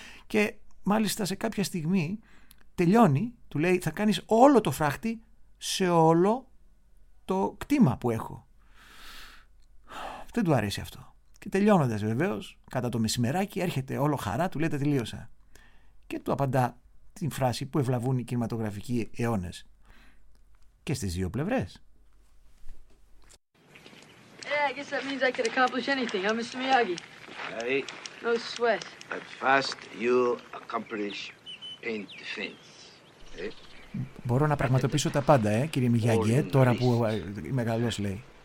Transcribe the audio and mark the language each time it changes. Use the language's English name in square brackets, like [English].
[Greek] Και μάλιστα σε κάποια στιγμή τελειώνει, του λέει, θα κάνεις όλο το φράχτη σε όλο το κτήμα που έχω. Δεν του αρέσει αυτό. Και τελειώνοντας βεβαίως, κατά το μεσημεράκι, έρχεται όλο χαρά, του λέει, τα τελείωσα. Και του απαντά την φράση που ευλαβούν οι κινηματογραφικοί αιώνες. Και στις δύο πλευρές. [English] Yeah, I guess that means I could accomplish anything. I'm Mr. Miyagi. Hey. No sweat. But first you accomplish in defense. [Greek] Μπορώ να πραγματοποιήσω τα πάντα, κύριε Μιγιάγκη, τώρα που είμαι μεγαλός, λέει.